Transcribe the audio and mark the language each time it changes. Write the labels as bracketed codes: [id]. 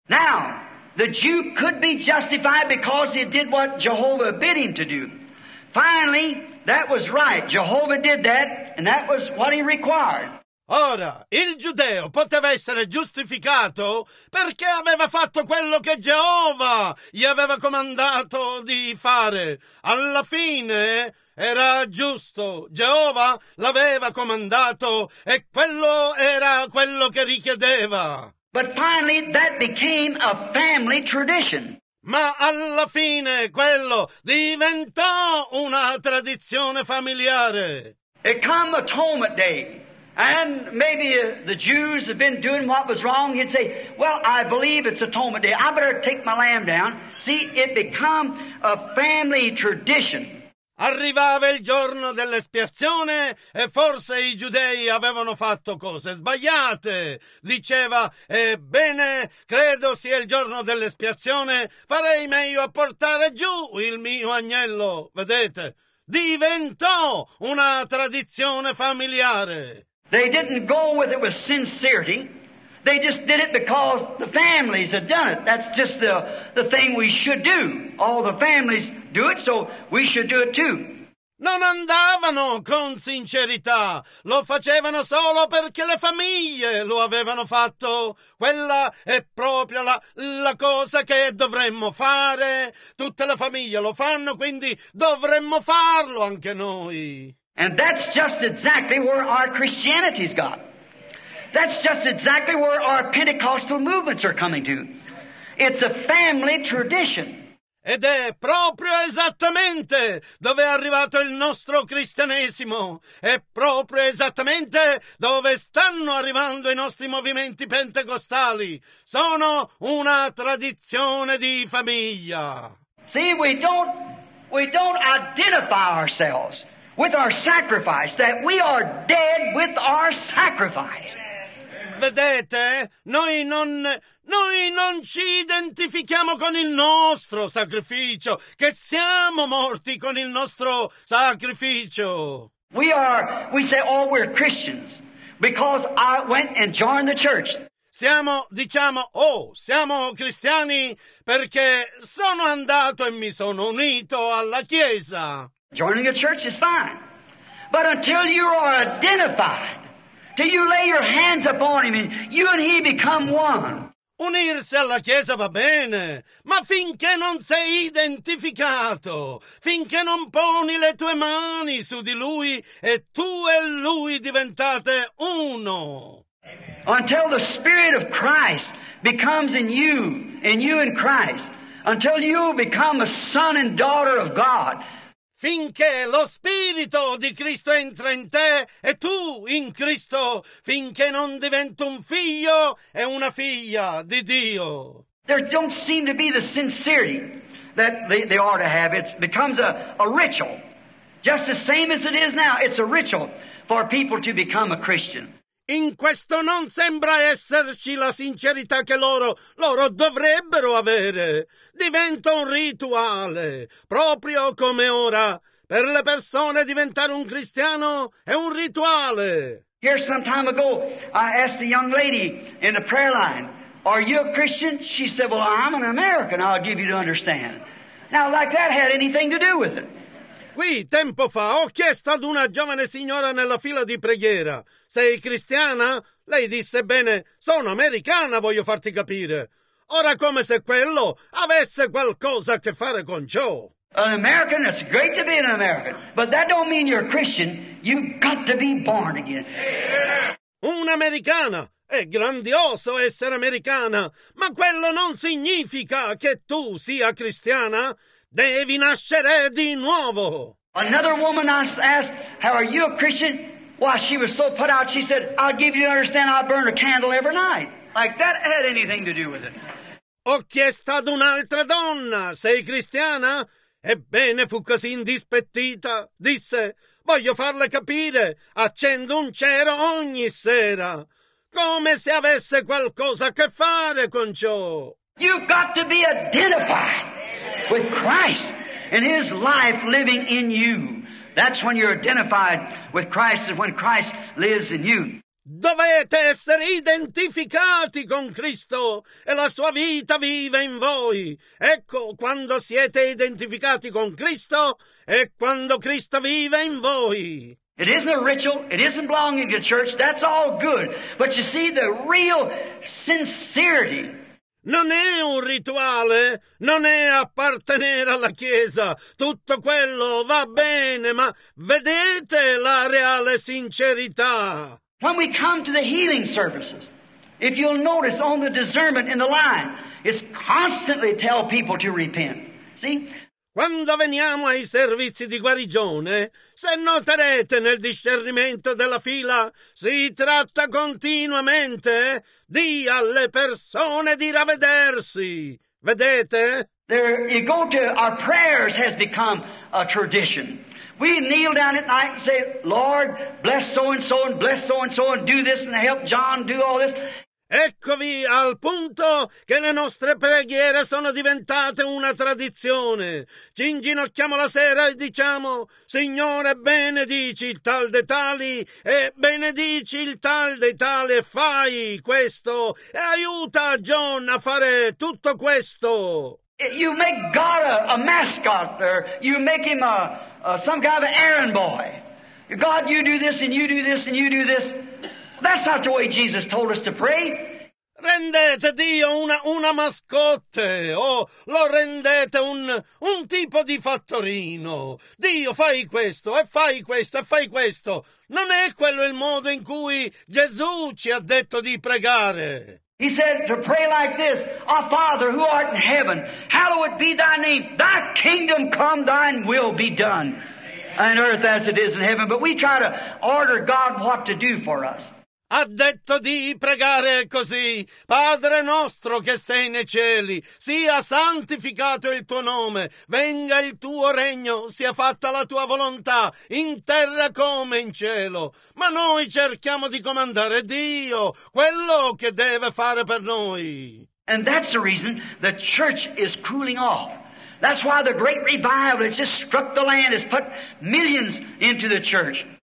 [en] Now, the Jew could be justified because he did what Jehovah bid him to do. Finally, that was right. Jehovah did that, and that was what he required. [it] Ora, il giudeo poteva essere giustificato perché aveva fatto quello che Geova gli aveva comandato di fare. Alla fine era giusto, Geova l'aveva comandato e quello era quello che richiedeva. [en] But finally that became a family tradition. [it] Ma alla fine quello diventò una tradizione familiare. [en] It came atonement day, and maybe the Jews have been doing what was wrong. He'd say, well, I believe it's atonement day, I better take my lamb down. See, it became a family tradition. [it] Arrivava il giorno dell'espiazione e forse i giudei avevano fatto cose sbagliate. Diceva, ebbene, credo sia il giorno dell'espiazione, farei meglio a portare giù il mio agnello. Vedete, diventò una tradizione familiare. [en] They didn't go with it with sincerity. They just did it because the families had done it. That's just the thing we should do. All the families do it, so we should do it too. [it] Non andavano con sincerità. Lo facevano solo perché le famiglie lo avevano fatto. Quella è proprio la cosa che dovremmo fare. Tutte le famiglie lo fanno, quindi dovremmo farlo anche noi. [en] And that's just exactly where our Christianity's got. That's just exactly where our Pentecostal movements are coming to. It's a family tradition. [it] Ed è proprio esattamente dove è arrivato il nostro cristianesimo. È proprio esattamente dove stanno arrivando i nostri movimenti pentecostali. Sono una tradizione di famiglia. [en] See, we don't identify ourselves with our sacrifice, that we are dead with our sacrifice. [it] Vedete, noi non ci identifichiamo con il nostro sacrificio, che siamo morti con il nostro sacrificio. [en] We say, oh, we're Christians, because I went and joined the church. [it] siamo, diciamo, oh, siamo cristiani perché sono andato e mi sono unito alla Chiesa. [en] Joining a church is fine, but until you are identified, till you lay your hands upon him and you and he become one. [it] Unirsi alla Chiesa va bene, ma finché non sei identificato, finché non poni le tue mani su di lui e tu e lui diventate uno. [en] Until the Spirit of Christ becomes in you, and you in Christ, until you become a son and daughter of God. [it] Finché lo Spirito di Cristo entra in te e tu in Cristo, finché non diventi un figlio e una figlia di Dio. [en] There don't seem to be the sincerity that they ought to have. It becomes a ritual. Just the same as it is now, it's a ritual for people to become a Christian. [it] In questo non sembra esserci la sincerità che loro dovrebbero avere. Diventa un rituale, proprio come ora. Per le persone diventare un cristiano è un rituale. [en] Here some time ago, I asked a young lady in the prayer line, "Are you a Christian?" She said, "Well, I'm an American, I'll give you to understand." Now, like that had anything to do with it. [it] Qui, tempo fa, ho chiesto ad una giovane signora nella fila di preghiera, "Sei cristiana?" Lei disse, "Bene, sono americana, voglio farti capire." Ora, come se quello avesse qualcosa a che fare con ciò. [en] An American, it's great to be an American, but that don't mean you're a Christian. You've got to be born again. [it] Un'americana, è grandioso essere americana, ma quello non significa che tu sia cristiana. Devi nascere di nuovo. [en] Another woman asked, "How are you a Christian?" Why, she was so put out, she said, "I'll give you to understand I burn a candle every night." Like that had anything to do with it. [it] Ho chiesto ad un'altra donna, "Sei cristiana?" Ebbene, fu così indispettita. Disse, "Voglio farle capire, accendo un cero ogni sera." Come se avesse qualcosa a che fare con ciò. [en] You've got to be identified with Christ and his life living in you. That's when you're identified with Christ, and when Christ lives in you. [it] Dovete essere identificati con Cristo e la sua vita vive in voi. Ecco, quando siete identificati con Cristo e quando Cristo vive in voi. [en] It isn't a ritual. It isn't belonging to church. That's all good. But you see, the real sincerity. [it] Non è un rituale, non è appartenere alla Chiesa, tutto quello va bene, ma vedete la reale sincerità. [en] When we come to the healing services, if you'll notice on the discernment in the line, it's constantly tell people to repent. See? [it] Quando veniamo ai servizi di guarigione, se noterete nel discernimento della fila, si tratta continuamente di alle persone di ravvedersi. Vedete? [en] There you go to our prayers has become a tradition. We kneel down at night and say, "Lord, bless so and so and bless so and so and do this and help John do all this." [it] Eccovi al punto che le nostre preghiere sono diventate una tradizione. Ci inginocchiamo la sera e diciamo, "Signore, benedici il tal dei tali e benedici il tal dei tali e fai questo e aiuta John a fare tutto questo." [en] You make God a mascot, or you make him a some kind of an errand boy. God, you do this and you do this and you do this. That's not the way Jesus told us to pray. [it] Rendete Dio una mascotte, o lo rendete un tipo di fattorino. Dio, fai questo, e fai questo, e fai questo. Non è quello il modo in cui Gesù ci ha detto di pregare. [en] He said to pray like this, "Our Father who art in heaven, hallowed be thy name, thy kingdom come, thine will be done, on earth as it is in heaven." But we try to order God what to do for us. [it] Ha detto di pregare così, "Padre nostro che sei nei cieli, sia santificato il tuo nome, venga il tuo regno, sia fatta la tua volontà, in terra come in cielo." Ma noi cerchiamo di comandare Dio, quello che deve fare per noi. [en] And that's the reason the church is cooling off. That's why the great revival that just struck the land has put millions into the church.